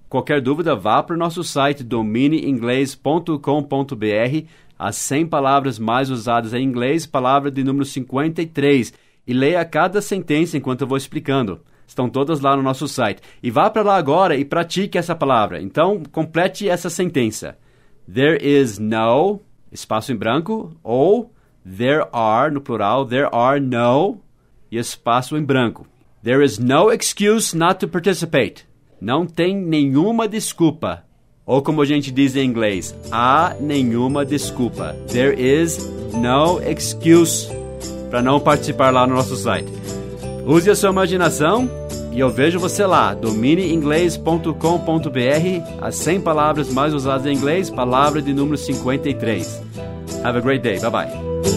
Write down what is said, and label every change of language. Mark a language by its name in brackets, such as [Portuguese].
[Portuguese] Qualquer dúvida, vá para o nosso site domineinglês.com.br, as 100 palavras mais usadas em inglês, palavra de número 53, e leia cada sentença enquanto eu vou explicando. Estão todas lá no nosso site. E vá para lá agora e pratique essa palavra. Então, complete essa sentença. [English] There is no, [Portuguese] espaço em branco, ou there are, no plural, [English] there are no, [Portuguese] e espaço em branco. [English] There is no excuse not to participate. [Portuguese] Não tem nenhuma desculpa. Ou como a gente diz em inglês, há nenhuma desculpa. [English] There is no excuse [Portuguese] para não participar lá no nosso site. Use a sua imaginação. E eu vejo você lá, domineinglês.com.br, as 100 palavras mais usadas em inglês, palavra de número 53. [English] Have a great day. Bye-bye.